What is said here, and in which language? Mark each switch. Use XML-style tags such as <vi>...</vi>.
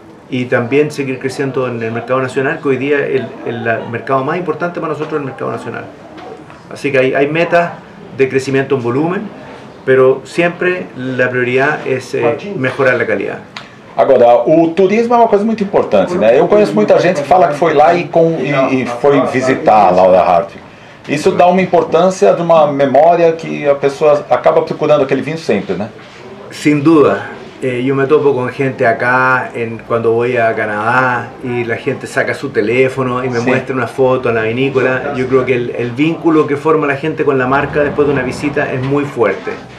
<es>Y también seguir creciendo en el mercado nacional, que hoy día el mercado más importante para nosotros es el mercado nacional. Así que hay metas de crecimiento en volumen, pero siempre la prioridad es mejorar la calidad.</es> <pt>Agora, o turismo é uma coisa muito importante, né? Eu conheço muita gente que fala que foi lá e foi visitar a Laura Hartwig. Isso dá uma importância de uma memória que a pessoa acaba procurando aquele vinho sempre, né? Sem dúvida.</pt> <es>Yo me topo con gente acá cuando voy a Canadá y la gente saca su teléfono y me muestra una foto en la vinícola. Yo creo que el vínculo que forma la gente con la marca después de una visita es muy fuerte.</es>